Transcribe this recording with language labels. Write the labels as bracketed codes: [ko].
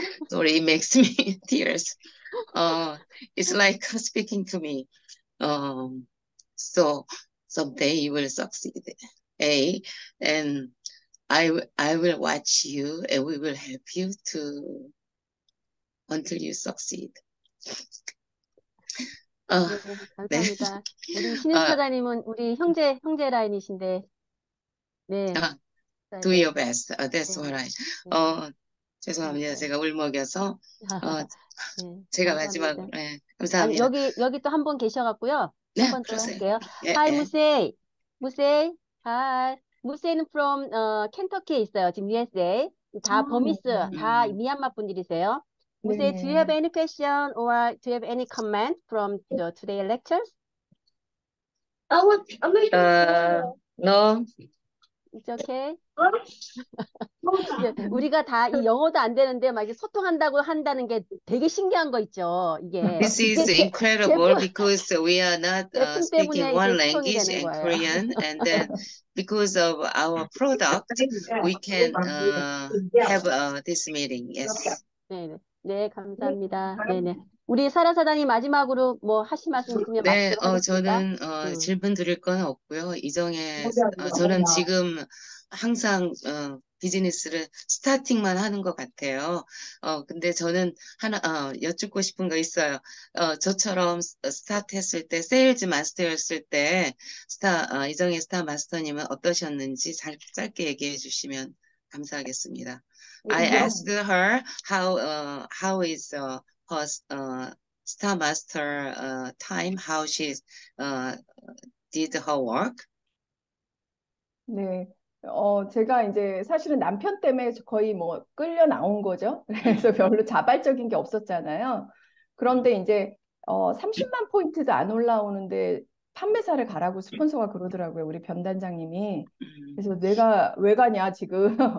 [en] Sorry, it makes me tears. It's like speaking to me. So someday you will succeed, and I will watch you, and we will help you to until you succeed. [ko] 네, 감사합니다. 네. 우리 신인 사장님은 우리 형제 라인이신데, 네. [en] Do your best. That's [ko] 네. [en] what I. [ko] 네. 죄송합니다. 네. 제가 울먹여서. 네. 제가 마지막. 네. 감사합니다. 아니, 여기 또 한 분 계셔갖고요. 네, 한번 들어볼게요. [en] Hi, [ko] Musay. Musay. [en] Hi. [ko] Musay는 [en] from [ko] 켄터키에 있어요. 지금 USA. 다 버미스, 다 미얀마 분들이세요. [en] Musay, yeah. Do you have any question or do you have any comment from today's lectures? No. It's okay. [ko] 우리가 다 이 영어도 안 되는데 막 이렇게 소통한다고 한다는 게 되게 신기한 거 있죠. 이게. [en] This is incredible because we are not speaking one language and Korean, and then because of our product, we can have this meeting. Yes. [ko] 네, 감사합니다. 네. 우리 사라 사단이 마지막으로 뭐 하실 말씀 있으면 네, 저는 질문 드릴 건 없고요. 이정혜 저는 지금 항상 비즈니스를 스타팅만 하는 것 같아요. 근데 저는 하나 여쭙고 싶은 거 있어요. 저처럼 스타트했을 때 세일즈 마스터였을 때 이정혜 스타 마스터님은 어떠셨는지 짧게 얘기해 주시면 감사하겠습니다. [en] I asked her how is her star master time, how she did her work. [ko] 네, 제가 이제 사실은 남편 때문에 거의 뭐 끌려 나온 거죠. 그래서 별로 자발적인 게 없었잖아요. 그런데 이제 30만 포인트도 안 올라오는데 판매사를 가라고 스폰서가 그러더라고요. 우리 변 단장님이. 그래서 내가 왜 가냐 지금.